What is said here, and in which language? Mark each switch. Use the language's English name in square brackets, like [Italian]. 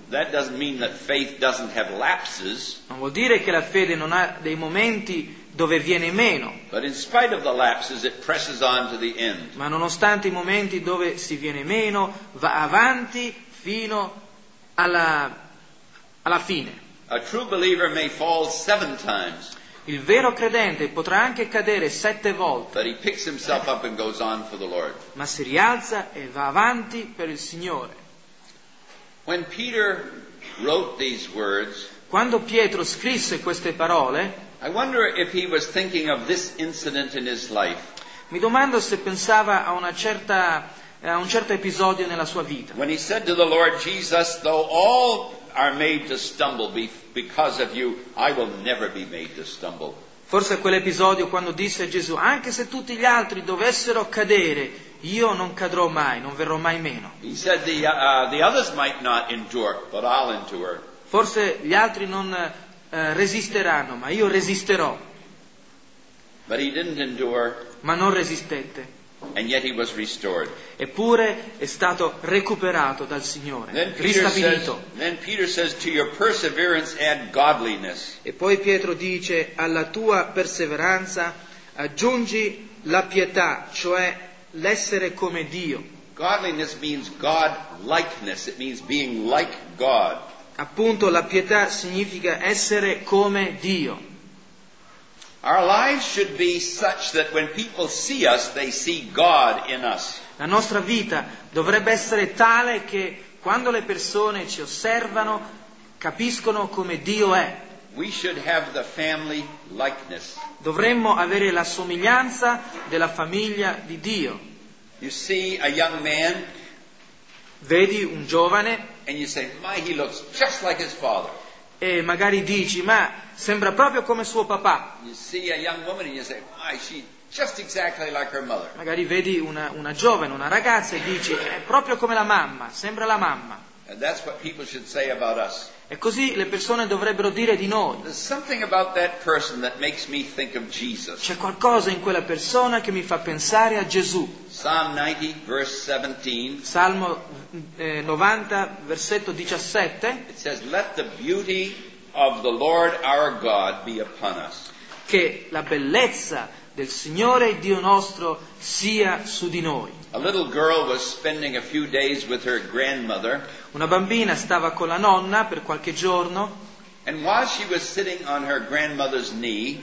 [English] That doesn't mean that faith doesn't have lapses. [Italian] Non vuol dire che la fede non ha dei momenti dove viene meno. [English] But in spite of the lapses, it presses on to the end. [Italian] Ma nonostante i momenti dove si viene meno, va avanti fino alla fine. [English] A true believer may fall seven times. [Italian] Il vero credente potrà anche cadere sette volte. [English] But he picks himself up and goes on for the Lord. [Italian] Ma si rialza e va avanti per il Signore. [English] When Peter wrote these words, [Italian] quando Pietro scrisse queste parole, [English] I wonder if he was thinking of this incident in his life. [Italian] Mi domando se pensava a una certa a un certo episodio nella sua vita. [English] When he said to the Lord Jesus, though all are made to stumble because of you, I will never be made to stumble. [Italian] Forse quell'episodio quando disse a Gesù, anche se tutti gli altri dovessero cadere, io non cadrò mai, non verrò mai meno. [English] He said the others might not endure, but I'll endure. [Italian] Forse gli altri non resisteranno, ma io resisterò. [English] But he didn't endure. [Italian] Ma non resistette. [English] And yet he was restored. [Italian] Eppure è stato recuperato dal Signore, [English] then [Italian] ristabilito. [English] Then Peter says, to your perseverance add godliness. [Italian] E poi Pietro dice, alla tua perseveranza aggiungi la pietà, cioè l'essere come Dio. [English] Godliness means God-likeness. It means being like God. [Italian] Appunto, la pietà significa essere come Dio. [English] Our lives should be such that when people see us, they see God in us. [Italian] La nostra vita dovrebbe essere tale che quando le persone ci osservano, capiscono come Dio è. [English] We should have the family likeness. [Italian] Dovremmo avere la somiglianza della famiglia di Dio. [English] You see a young man. [Italian] Vedi un giovane. [English] And you say, "My, he looks just like his father." [Italian] E magari dici, ma sembra proprio come suo papà. [English] You see a young woman and you say, "My, she's just exactly like her mother." [Italian] Magari vedi una giovane, una ragazza e dici, è proprio come la mamma, sembra la mamma. [English] And that's what people should say about us. [Italian] E così le persone dovrebbero dire di noi. [English] There's something about that person that makes me think of Jesus. [Italian] C'è qualcosa in quella persona che mi fa pensare a Gesù. [English] Psalm 90, verse 17. [Italian] Salmo 90, versetto 17. [English] It says, "Let the beauty of the Lord our God be upon us." [Italian] Che la bellezza del Signore Dio nostro sia su di noi. [English] A little girl was spending a few days with her grandmother. [Italian] Una bambina stava con la nonna per qualche giorno. [English] And while she was sitting on her grandmother's knee,